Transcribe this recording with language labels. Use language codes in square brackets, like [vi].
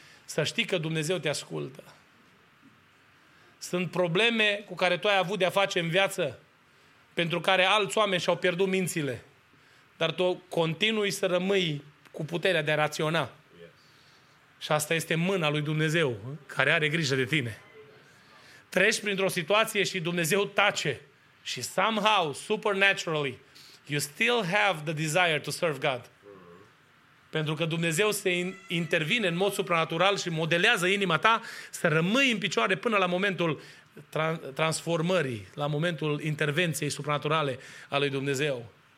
[ro] Să știi că Dumnezeu te ascultă. Sunt probleme cu care tu ai avut de-a face în viață, pentru care alți oameni și-au pierdut mințile. Dar tu continui să rămâi cu puterea de a raționa. Și asta este mâna lui Dumnezeu, care are grijă de tine. Treci printr-o situație și Dumnezeu tace. Și [en] somehow, supernaturally, you still have the desire to serve God. [ro] Pentru că Dumnezeu se intervine în mod supranatural și modelează inima ta să rămâi în picioare până la momentul transformării, la momentul intervenției supranaturale a lui Dumnezeu.